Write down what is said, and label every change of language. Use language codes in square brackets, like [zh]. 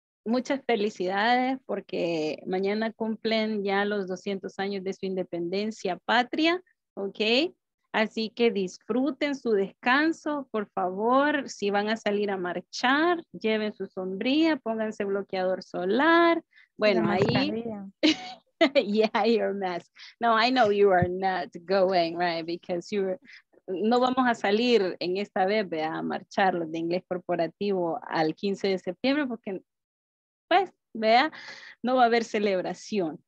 [es] muchas felicidades porque mañana cumplen ya los 200 años de su independencia patria, ¿ok? Así que disfruten su descanso, por favor. Si van a salir a marchar, lleven su sombrilla, pónganse bloqueador solar. Bueno, ahí. [en] Yeah, your mask. No, I know you are not going, right? Because you're. [es] No vamos a salir en esta vez, ¿verdad? A marchar los de inglés corporativo al 15 de septiembre porque, pues, vea, no va a haber celebración.